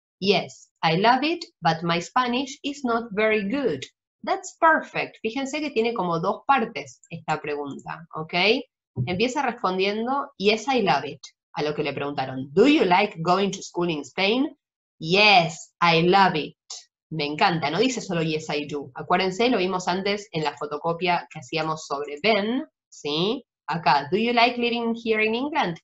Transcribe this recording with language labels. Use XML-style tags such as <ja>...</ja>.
<en>Yes, I love it, but my Spanish is not very good. That's perfect.</en> <es>Fíjense que tiene como dos partes esta pregunta, ¿ok? Empieza respondiendo,</es> <en>yes, I love it.</en> <es>A lo que le preguntaron,</es> <en>do you like going to school in Spain? Yes, I love it.</en> <es>Me encanta, no dice solo</es> <en>yes, I do.</en> <es>Acuérdense, lo vimos antes en la fotocopia que hacíamos sobre Ben, ¿sí?</es> <en>Acá, do you like living here in England?</en>